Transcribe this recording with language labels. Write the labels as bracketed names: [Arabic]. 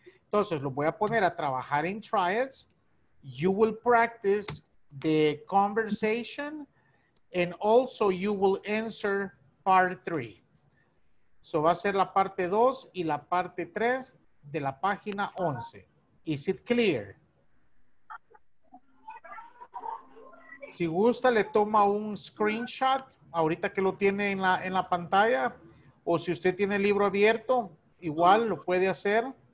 [Spanish] Entonces, lo voy a poner a trabajar en triads. [English] You will practice the conversation and also you will answer part three. [Spanish] So, va a ser la parte dos y la parte tres de la página 11. [English] Is it clear? [Spanish] Si gusta, le toma un screenshot ahorita que lo tiene en la pantalla. O si usted tiene el libro abierto, igual lo puede hacer.